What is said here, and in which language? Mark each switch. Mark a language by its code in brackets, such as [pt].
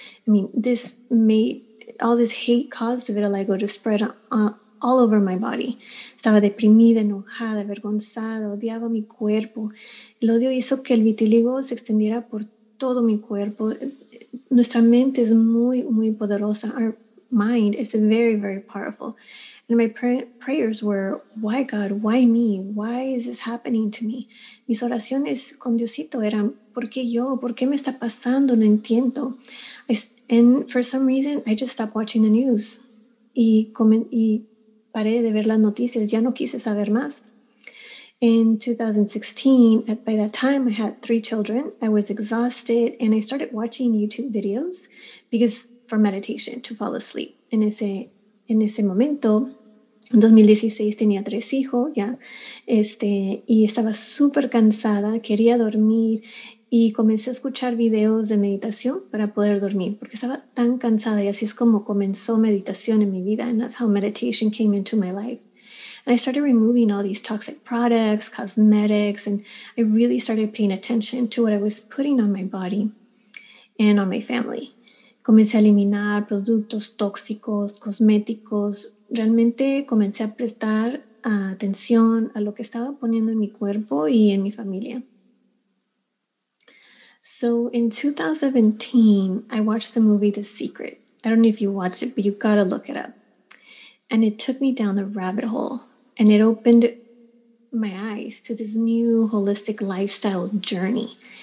[en] I mean, all this hate caused the vitiligo to spread all over my body. [es] Estaba deprimida, enojada, avergonzada, odiaba mi cuerpo. El odio hizo que el vitiligo se extendiera por todo mi cuerpo. Nuestra mente es muy, muy poderosa. [en] Our mind is very, very powerful. And my prayers were, why God, why me? Why is this happening to me? [es] Mis oraciones con Diosito eran, ¿por qué yo? ¿Por qué me está pasando? No entiendo. [en] And for some reason, I just stopped watching the news. [es] Y paré de ver las noticias. Ya no quise saber más. [en] In 2016, by that time, I had 3 children. I was exhausted, and I started watching YouTube videos because for meditation, to fall asleep. [es] En ese momento, En 2016 tenía 3 hijos ya, y estaba súper cansada, quería dormir y comencé a escuchar videos de meditación para poder dormir porque estaba tan cansada y así es como comenzó meditación en mi vida. [en] And that's how meditation came into my life. And I started removing all these toxic products, cosmetics, and I really started paying attention to what I was putting on my body and on my family. [es] Comencé a eliminar productos tóxicos, cosméticos. Realmente comencé a prestar atención a lo que estaba poniendo en mi cuerpo y en mi familia. [en] So in 2017, I watched the movie The Secret. I don't know if you watched it, but you gotta look it up. And it took me down a rabbit hole. And it opened my eyes to this new holistic lifestyle journey.